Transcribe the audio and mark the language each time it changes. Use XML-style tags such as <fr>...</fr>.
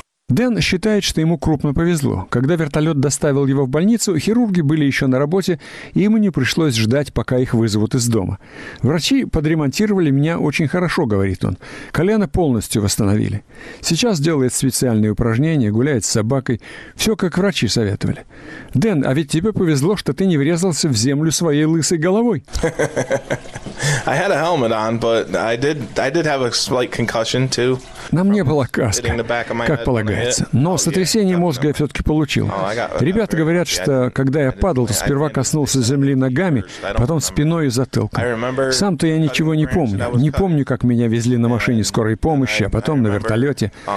<ru>Дэн считает, что ему крупно повезло. Когда вертолет доставил его в больницу, хирурги были еще на работе, и ему не пришлось ждать, пока их вызовут из дома. «Врачи подремонтировали меня очень хорошо», — говорит он. «Колено полностью восстановили. Сейчас делает специальные упражнения, гуляет с собакой. Все, как врачи советовали. Дэн, а ведь тебе повезло, что ты не врезался в землю своей лысой головой».</ru> <en>I had a helmet on, but I did have a slight concussion too.</en> <ru>На мне была каска, как полагается. появляется. Но сотрясение мозга я все-таки получил. Ребята говорят, что когда я падал, то сперва коснулся земли ногами, потом спиной и затылком. Сам-то я ничего не помню. Не помню, как меня везли на машине скорой помощи, а потом на вертолете.</ru>